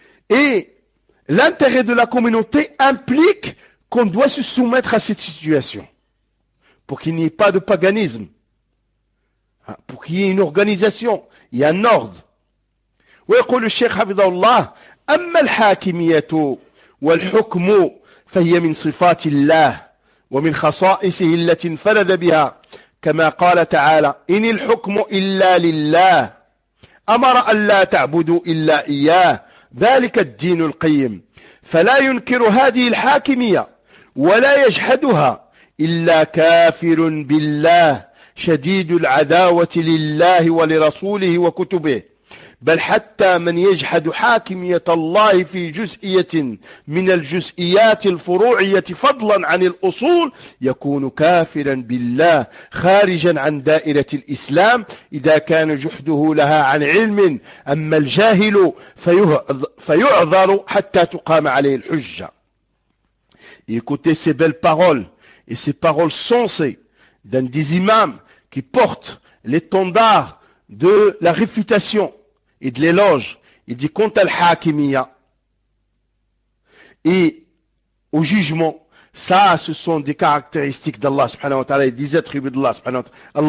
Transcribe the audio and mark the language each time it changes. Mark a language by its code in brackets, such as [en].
[fr] Et l'intérêt de la communauté implique qu'on doit se soumettre à cette situation pour qu'il n'y ait pas de paganisme, pour qu'il y ait une organisation et un ordre. [ar] ويقول الشيخ حفظه الله أما الحاكمية والحكم فهي من صفات الله ومن خصائصه التي انفرد بها كما قال تعالى إن الحكم إلا لله أمر أن لا تعبدوا إلا إياه ذلك الدين القيم فلا ينكر هذه الحاكمية ولا يجحدها إلا كافر بالله شديد العداوة لله ولرسوله وكتبه بل حتى من يجحد حاكمية الله في جزئية من الجزئيات الفروعية فضلا عن الأصول يكون كافرا بالله خارجا عن دائرة الإسلام إذا كان جحده لها عن علم أما الجاهل فيعذر حتى تقام عليه الحجة. [fr] Écoutez ces belles paroles et ces paroles sensées d'un des imams qui porte l'étendard de la réfutation. Et de l'éloge, il dit quant à l'hakimiyya et au jugement, ça ce sont des caractéristiques d'Allah subhanahu wa ta'ala et des attributs d'Allah subhanahu wa ta'ala.